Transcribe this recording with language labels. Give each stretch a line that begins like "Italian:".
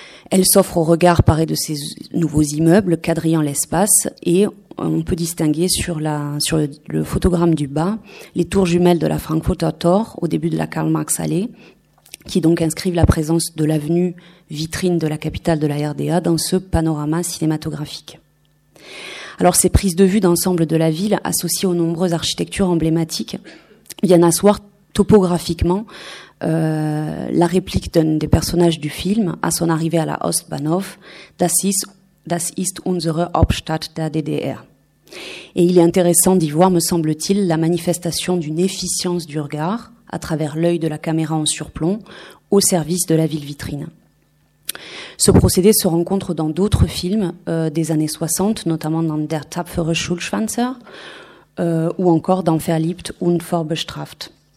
French: Elle s'offre au regard paré de ses nouveaux immeubles, quadrillant l'espace, et on peut distinguer sur le photogramme du bas les tours jumelles de la Frankfurter Tor au début de la Karl-Marx-Allee, qui donc inscrivent la présence de l'avenue vitrine de la capitale de la RDA dans ce panorama cinématographique. Alors ces prises de vue d'ensemble de la ville associées aux nombreuses architectures emblématiques viennent asseoir topographiquement la réplique d'un des personnages du film à son arrivée à la Ostbahnhof d'Assis.
German: Das ist unsere Hauptstadt der DDR.
French: Et il est intéressant d'y voir, me semble-t-il, la manifestation d'une efficience du regard à travers l'œil de la caméra en surplomb au service de la ville vitrine. Ce procédé se rencontre dans d'autres films des années 60, notamment dans Der tapfere Schulschwänzer ou encore dans Verliebt und vorbestraft.